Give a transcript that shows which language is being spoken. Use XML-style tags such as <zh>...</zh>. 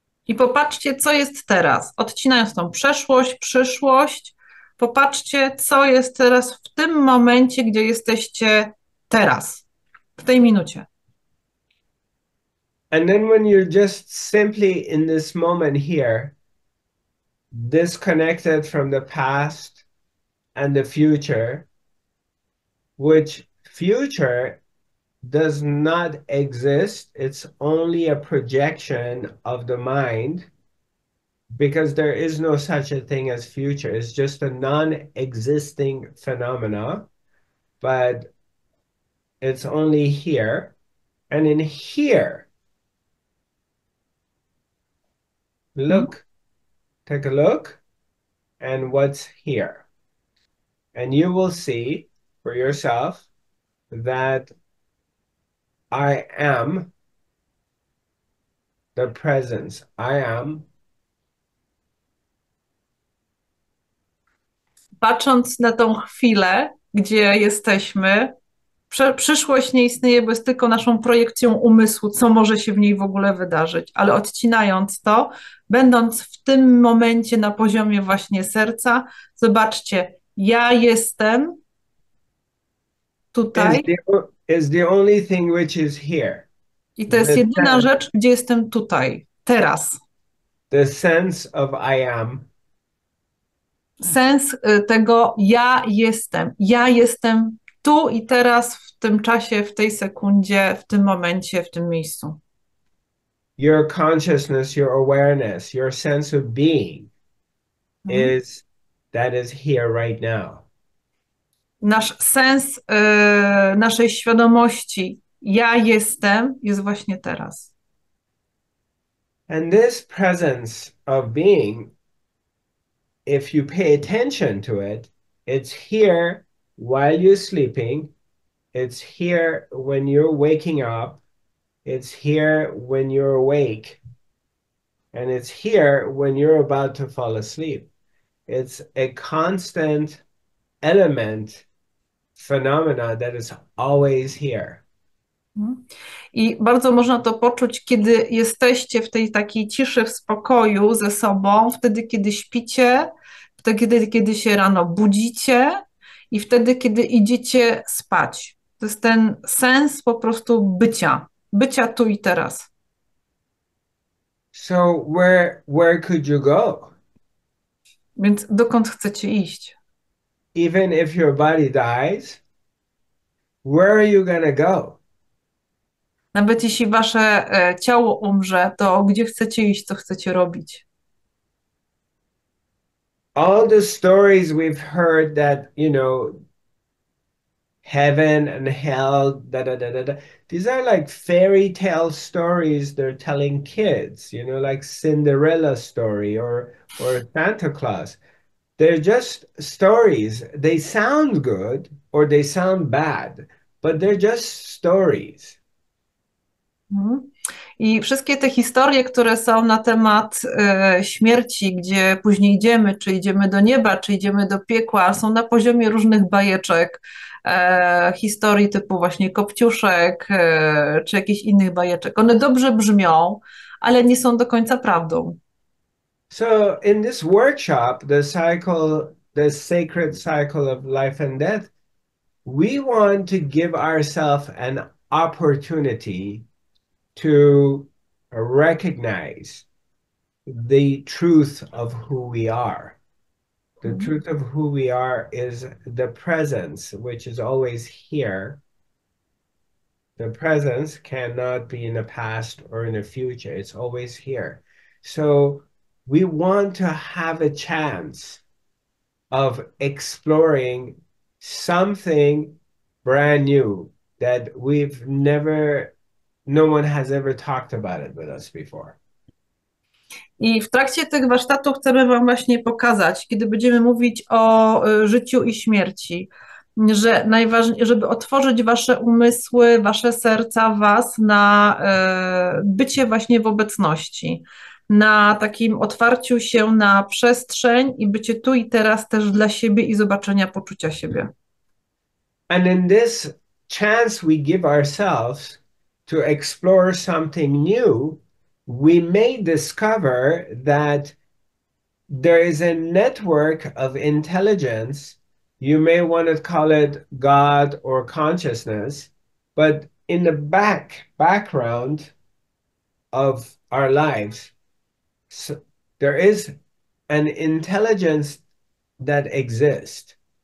<pl>I popatrzcie, co jest teraz, odcinając tą przeszłość, przyszłość. Popatrzcie, co jest teraz w tym momencie, gdzie jesteście teraz, w tej minucie.</pl> <en>And then, when you're just simply in this moment here, disconnected from the past and the future, which future does not exist, it's only a projection of the mind, because there is no such a thing as future, it's just a non-existing phenomena, but it's only here. And in here, look, take a look, and what's here? And you will see for yourself that I am the presence. I am.</en> <pl>Patrząc na tą chwilę, gdzie jesteśmy, przyszłość nie istnieje, bo jest tylko naszą projekcją umysłu, co może się w niej w ogóle wydarzyć, ale odcinając to, będąc w tym momencie na poziomie właśnie serca, zobaczcie, ja jestem</pl> <en>Is</en> <pl>tutaj</pl> <en>the only thing which is here.</en> <pl>i to jest</pl> <en>The</en> <pl>jedyna</pl> <en>sense.</en> <pl>rzecz, gdzie jestem tutaj, teraz.</pl> <en>The sense of I am.</en> <pl>Sens tego ja jestem. Ja jestem tu i teraz, w tym czasie, w tej sekundzie, w tym momencie, w tym miejscu.</pl> <en>Your consciousness, your awareness, your sense of being is that is here right now.</en> <pl>Nasz sens naszej świadomości, ja jestem, jest właśnie teraz.</pl> <en>And this presence of being, if you pay attention to it, it's here while you're sleeping, it's here when you're waking up, it's here when you're awake, and it's here when you're about to fall asleep. It's a constant element phenomena that is always here.</en> <pl>I bardzo można to poczuć, kiedy jesteście w tej takiej ciszy, w spokoju ze sobą, wtedy, kiedy śpicie, wtedy, kiedy się rano budzicie i wtedy, kiedy idziecie spać. To jest ten sens po prostu bycia, bycia tu i teraz.</pl> <en>So where could you go?</en> <pl>Więc dokąd chcecie iść?</pl> <en>Even if your body dies, where are you gonna go?</en> <pl>Nawet jeśli wasze ciało umrze, to gdzie chcecie iść, co chcecie robić?</pl> <en>All the stories we've heard that, you know, heaven and hell, da da da da da. These are like fairy tale stories they're telling kids, you know, like Cinderella story or Santa Claus. They're just stories. They sound good or they sound bad, but they're just stories.</en> <pl>I wszystkie te historie, które są na temat śmierci, gdzie później idziemy, czy idziemy do nieba, czy idziemy do piekła, są na poziomie różnych bajeczek, historii typu właśnie Kopciuszek, czy jakichś innych bajeczek. One dobrze brzmią, ale nie są do końca prawdą.</pl> <en>So in this workshop, the cycle, the sacred cycle of life and death, we want to give ourselves an opportunity to recognize the truth of who we are. The truth of who we are is the presence, which is always here. The presence cannot be in the past or in the future. It's always here. So we want to have a chance of exploring something brand new that we've never, no one has ever talked about it with us before.</en> <pl>I w trakcie tych warsztatów chcemy wam właśnie pokazać, kiedy będziemy mówić o życiu i śmierci, że najważniejsze, żeby otworzyć wasze umysły, wasze serca, was na bycie właśnie w obecności, na takim otwarciu się na przestrzeń i bycie tu i teraz też dla siebie i zobaczenia poczucia siebie.</pl> <en>And in this chance we give ourselves to explore something new, we may discover that there is a network of intelligence. You may want to call it God or consciousness, but in the background of our lives, so there is an intelligence that exists.</en>